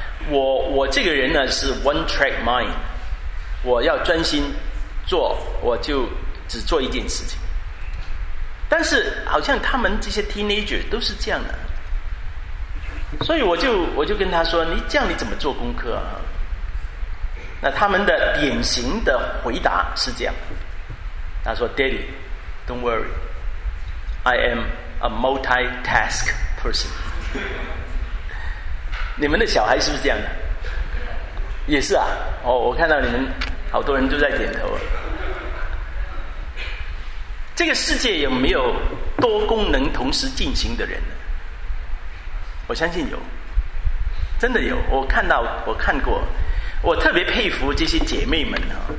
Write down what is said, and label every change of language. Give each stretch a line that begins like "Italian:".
Chinese: 我这个人呢是
English: one track mind，
Chinese: 我要专心做我就只做一件事情。但是好像他们这些 teenager 都是这样的，所以我就跟他说，你这样你怎么做功课啊？那他们的典型的回答是这样，他说
English: Daddy don't worry I am a multitask person。
Chinese: 你们的小孩是不是这样的？也是啊。哦，我看到你们好多人都在点头。这个世界有没有多功能同时进行的人呢？我相信有，真的有。我看过，我特别佩服这些姐妹们啊！